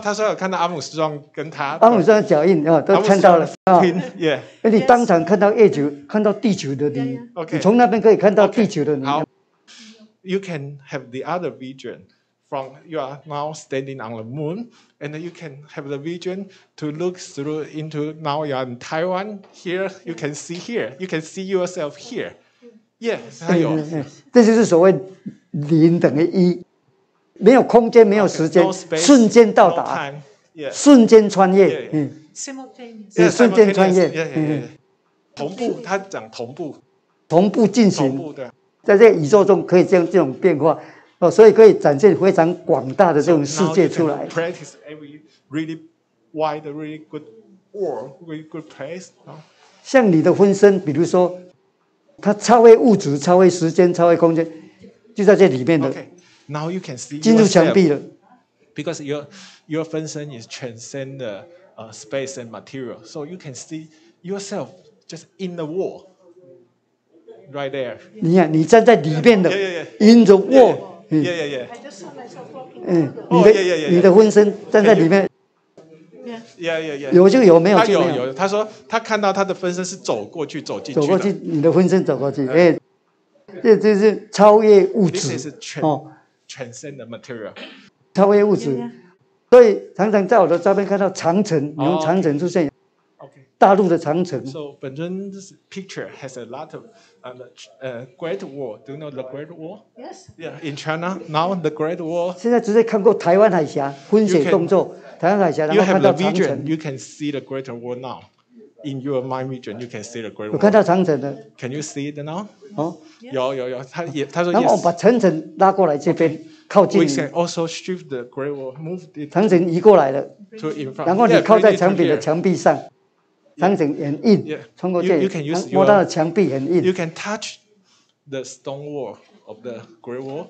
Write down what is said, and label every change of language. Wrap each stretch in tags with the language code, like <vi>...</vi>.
<zh>他说有看到阿姆斯壮跟他。阿姆斯壮的脚印都看到了。</zh> <en>Yeah.</en> <zh>你当场看到月球，看到地球的你。</zh> <en>Okay.</en> <zh>你从那边可以看到地球的你。</zh> <en>好。You can have the other vision. From you are now standing on the moon, and you can have the vision to look through into now you are in Taiwan. Here you can see here. You can see yourself here. Yes, 还有，</en> <zh>这就是所谓零等于一，没有空间，没有时间，</zh> <en>okay, no、space,</en> <zh>瞬间到达，</zh> <en>no、time, yeah,</en> <zh>瞬间穿越，</zh> <en>yeah, yeah. Simultaneous. Yeah,</en> <zh>瞬间穿越， yeah, yeah, yeah. 同步，他讲同步，同步进行，同步的，在这宇宙中可以这样这种变化。哦、所以可以展现非常广大的这种世界出来。</zh> <en>So、now you can practice every really wide, really good world, really good place.、No?</en> <zh>像你的分身，比如说，它超越物质、超越时间、超越空间，就在这里面的。</zh> <en>Okay. Now you can see</en> <zh>进入墙壁了。</zh> <en>Because your 分身 is transcend the space and material, so you can see yourself just in the wall, right there.</en> <zh>你呀、啊，你站在里面的</zh> <en>yeah, yeah, yeah. in the wall.、 Yeah.</en> <zh>Yeah, yeah, yeah. 你的分身站在里面。</zh> <en>Yeah, yeah, yeah.</en> <zh>有就有，没有就没有。有，他说他看到他的分身是走过去，走进去。走过去，你的分身走过去。哎，这就是超越物质。</zh> <en>Transcend the material.</en> <zh>超越物质，所以常常在我的照片看到长城，你用长城出现。</zh> <en>Okay.</en> <zh>大陆的长城。</zh> <en>So, 本尊 this picture has a lot of. Great Wall. Do you know the Great Wall? Yes. Yeah, in China now the Great Wall.</en> <zh>现在直接看过台湾海峡分解动作，台湾海峡，然后看到长城。</zh> <en>You can see the Great Wall now. In your mind region, you can see the Great Wall.</en> <zh>我看到长城的。</zh> <en>Can you see it now?</en> <zh>哦，有有有，他说。然后我把长城拉过来这边，</zh> <en>okay.</en> <zh>靠近你。</zh> <en>We can also shift the Great Wall, move it.</en> <zh>长城移过来了。</zh> <en>To in front.</en> <zh>然后你靠在墙壁的墙壁上。</zh> <en>Yeah,</en> <zh>长城很硬，穿过这里，摸到了墙壁很硬。</zh> <en>You can touch the stone wall of the great wall.</en>